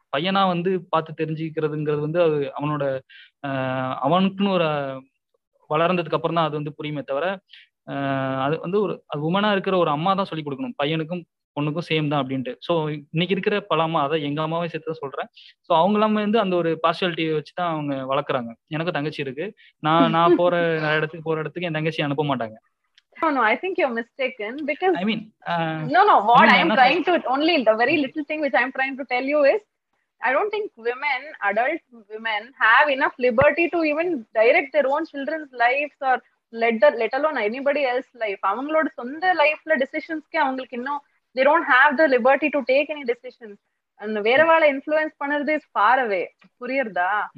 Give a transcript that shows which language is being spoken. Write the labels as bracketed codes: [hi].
[ta] பையனா வந்து பார்த்து தெரிஞ்சுக்கிறதுங்கிறது வந்து அது அவனோட அவனுக்குன்னு ஒரு வளர்ந்ததுக்கு அப்புறம் தான் அது வந்து புரியுமே தவிர, அது வந்து ஒரு அது உமனா இருக்கிற ஒரு அம்மா தான் சொல்லிக் கொடுக்கணும் பையனுக்கும் பொண்ணுக்கும் சேம் தான் அப்படின்ட்டு. ஸோ இன்னைக்கு இருக்கிற பல அம்மா, அதை எங்கள் அம்மாவே சேர்த்து தான் சொல்கிறேன், ஸோ அவங்களாம வந்து அந்த ஒரு பார்ஷுவாலிட்டியை வச்சு தான் அவங்க வளர்க்குறாங்க. எனக்கு தங்கச்சி இருக்கு, நான் போற இடத்துக்கு என் தங்கச்சி அனுப்ப மாட்டாங்க. [en] No, I think you're mistaken because I mean only the very little thing which I'm trying to tell you is I don't think women, adult women, have enough liberty to even direct their own children's lives or let alone anybody else's life. [ta] அவங்களோட சொந்த லைஃப்ல டிசிஷன்ஸ்க்கே அவங்களுக்கு இன்னும் [en] they don't have the liberty to take any decisions. [ta] அந்த வேறவாள influence பண்ணுறது [en] is far away, [ta] புரியுறதா?